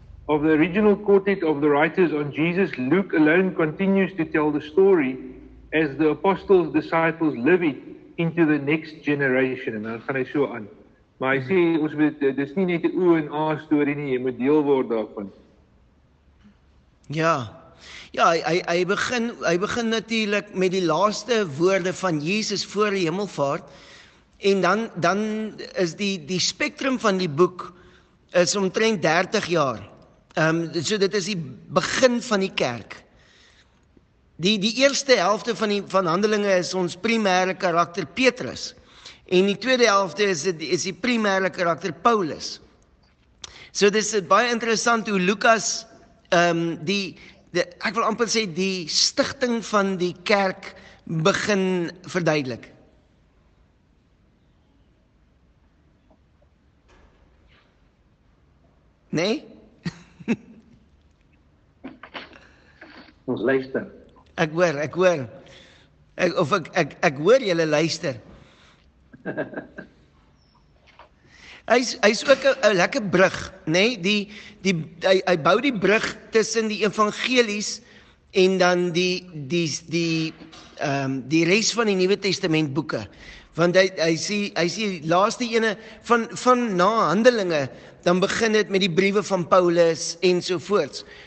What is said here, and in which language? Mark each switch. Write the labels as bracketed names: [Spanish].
[English] Of the original quartet of the writers on Jesus, Luke alone continues to tell the story as the apostles' disciples live it into the next generation. [Afrikaans] En dan gaan hy so aan. Maar hy sê, ons moet, dis nie net die oe en a story nie, jy moet deel word daarvan. Ja, ja, hy begin natuurlijk met die laaste woorde van Jesus voor die hemelvaart, en dan is die spectrum van die boek is omtrent 30 jaar. So dit is die begin van die kerk. Die eerste helfte van handelinge is ons primêre karakter Petrus. En die tweede helfte is die primêre karakter Paulus. So dit is baie interessant hoe Lukas, ek wil amper sê, die stichting van die kerk begin verduidelik. Nee? Ons luister. Ek hoor. Ek hoor julle luister. Hy is ook een lekker brug, nee? Hy bou die brug tussen die evangelies en dan die rest van die Nuwe Testament boeke. Want hy sê laaste ene van na handelinge, dan begin het met die briewe van Paulus en sovoorts.